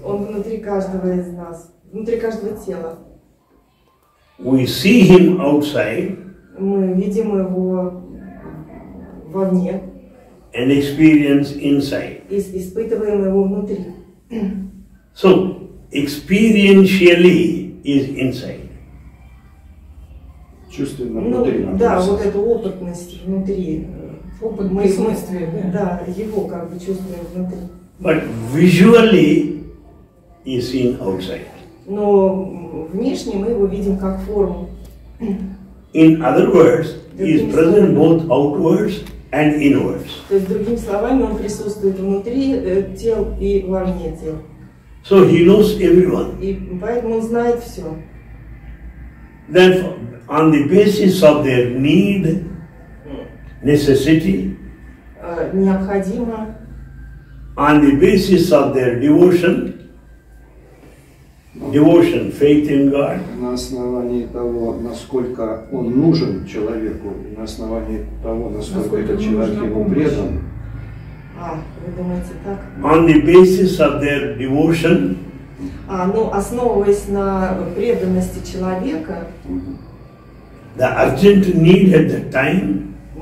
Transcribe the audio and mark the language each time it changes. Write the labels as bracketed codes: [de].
[ru] Он внутри каждого из нас, внутри каждого тела. [en] We see him outside. [ru] Мы видим его вовне. [en] And experience inside. [ru] И испытываем его внутри. [en] So, experientially is inside. [ru] Чувственно внутри. Ну, да, вот эта опытность внутри. Опыт мы смыслим. Да, его как бы чувствуем внутри. [en] But visually is seen outside. [ru] Но внешне мы его видим как форму. [en] In other words, he is present both outwards and inwards. [ru] То есть другими словами, он присутствует внутри тел и вовне тел. [en] So he knows everyone. [ru] И поэтому он знает все. [en] Then on the basis of their need, necessity, [ru] необходимо. [en] On the basis of their devotion, faith in God. [ru] На основании того, насколько он нужен человеку, на основании того, насколько этот человек ему предан. А, вы думаете так? [en] On the basis of their devotion. [ru] А, ну, основываясь на преданности человека. [en] The urgent need at that time.